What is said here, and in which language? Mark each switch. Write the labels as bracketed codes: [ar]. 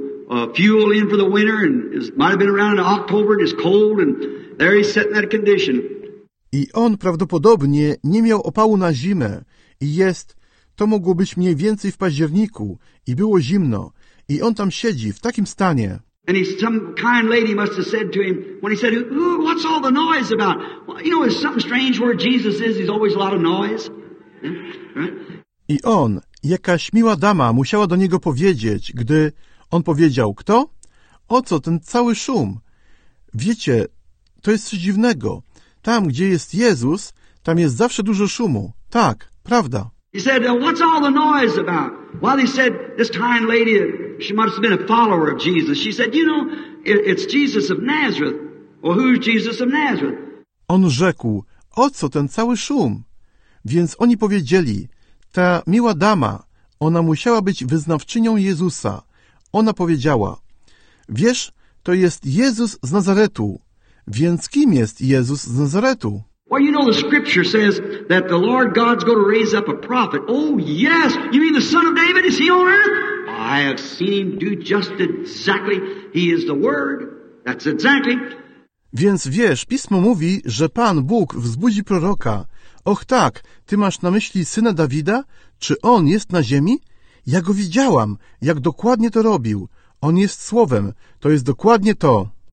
[en] Fuel in for the winter and might have been around in October and it's cold and there he's sitting in that condition. [pl] I on prawdopodobnie nie miał opału na zimę i jest, to mogło być mniej więcej w październiku i było zimno i on tam siedzi w takim stanie. [en] And some kind lady must have said to him when he said, what's all the noise about? Well, you know, it's something strange where Jesus is, there's always a lot of noise. [pl] I on, jakaś miła dama musiała do niego powiedzieć, gdy on powiedział, kto? O co ten cały szum? Wiecie, to jest coś dziwnego. Tam, gdzie jest Jezus, tam jest zawsze dużo szumu. Tak, prawda. [en] He said, what's all the noise about? Well, he said, this kind lady, she must have been a follower of Jesus. She said, you know, it's Jesus of Nazareth. Well, who's Jesus of Nazareth? [pl] On rzekł, o co ten cały szum? Więc oni powiedzieli, ta miła dama, ona musiała być wyznawczynią Jezusa. Ona powiedziała, wiesz, to jest Jezus z Nazaretu, więc kim jest Jezus z Nazaretu? [en] Well, you know the scripture says that the Lord God's going to raise up a prophet. Oh, yes, you mean the son of David? Is he on earth? I have seen him do just exactly, he is the word, that's exactly. [pl] Więc wiesz, Pismo mówi, że Pan Bóg wzbudzi proroka. Och tak, ty masz na myśli syna Dawida? Czy on jest na ziemi? Ja go widziałam, jak dokładnie to robił. On jest Słowem, to jest dokładnie to.